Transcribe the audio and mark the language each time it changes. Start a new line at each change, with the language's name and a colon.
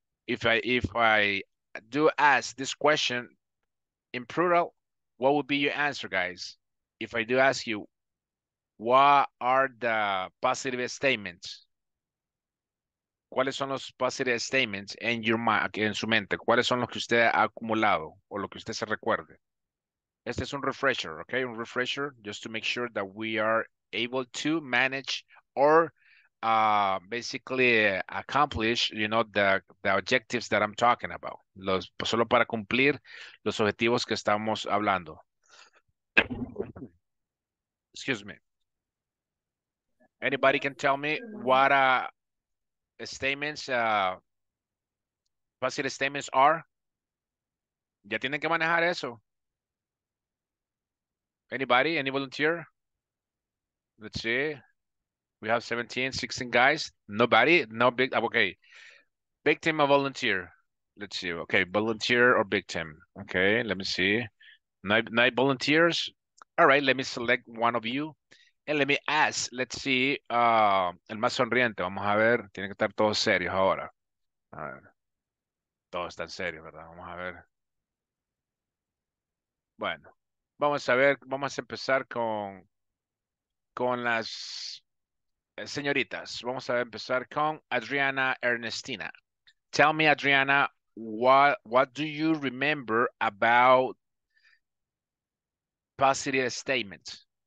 English: If I do ask this question in plural, what would be your answer, guys? If I do ask you, what are the positive statements?
Spanish: ¿Cuáles son los
English: positive statements
Spanish: en
English: your mind,
Spanish: en su mente? ¿Cuáles son los que usted ha acumulado o lo que usted se recuerde? Este es un refresher, okay?
English: Un refresher, just to make sure that we are able to manage or basically accomplish, you know, the objectives that I'm talking about.
Spanish: Los, solo para cumplir los objetivos que estamos hablando.
English: Excuse me. Anybody can tell me what statements, positive statements are?
Spanish: ¿Ya tienen que manejar eso?
English: Anybody? Any volunteer? Let's see. We have 17, 16 guys. Nobody? No big. Okay. Victim or volunteer? Let's see. Okay. Volunteer or victim? Okay. Let me see. Nine volunteers? All right. Let me select one of you. And let me ask, let's see,
Spanish: el más sonriente, vamos a ver, tiene que estar todos serios ahora. A ver. Todos están serios, ¿verdad? Vamos a ver. Bueno, vamos a ver, vamos a empezar con las señoritas. Vamos a empezar con Adriana Ernestina.
English: Tell me, Adriana, what do you remember about positive statements?